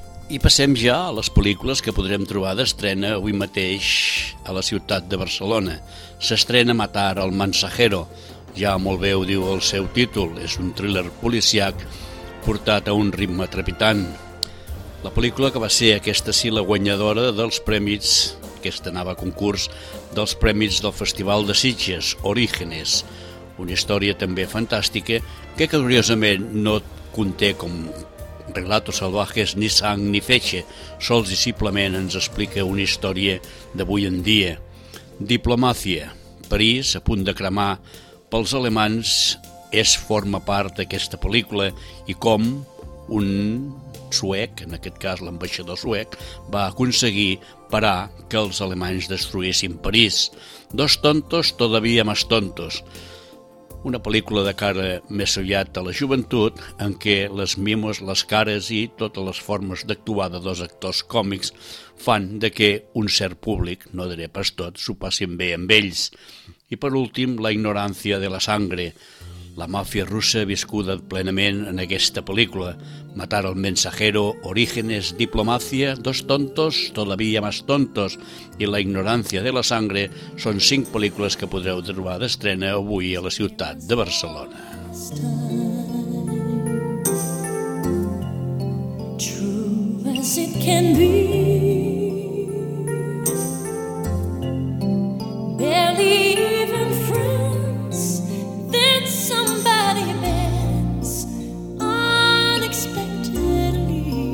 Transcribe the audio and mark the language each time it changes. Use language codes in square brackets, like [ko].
[ca] I passem ja a les pel·lícules que podrem trobar d'estrena avui mateix a la ciutat de Barcelona. S'estrena Matar el mensajero. Ja molt bé ho diu el seu títol. És un thriller policiac portat a un ritme trepitant. La pel·lícula que va ser aquesta sí la guanyadora dels premis, aquesta anava a concurs, dels premis del Festival de Sitges, Orígenes. Una història també fantàstica que curiosament no conté com relatos salvajes ni sang ni feixe, sols i simplement ens explica una història d'avui en dia. Diplomàcia. París, a punt de cremar pels alemans, és forma part d'aquesta pel·lícula i com un suec, en aquest cas l'ambaixador suec, va aconseguir parar que els alemanys destruïssin París. [es] Dos tontos, todavía más tontos. [ca] Una pel·lícula de cara més aviat a la joventut en què les mimos, les cares i totes les formes d'actuar de dos actors còmics fan de que un cert públic, no diré pas tot, s'ho passin bé amb ells. I per últim, la ignorància de la sangre. La màfia russa viscuda plenament en aquesta pel·lícula. Matar el mensajero, orígenes, diplomàcia, dos tontos, todavía más tontos, i la ignorància de la sangre són cinc pel·lícules que podreu trobar d'estrena avui a la ciutat de Barcelona. [en] True as it can be, barely even friends, then somebody bends unexpectedly.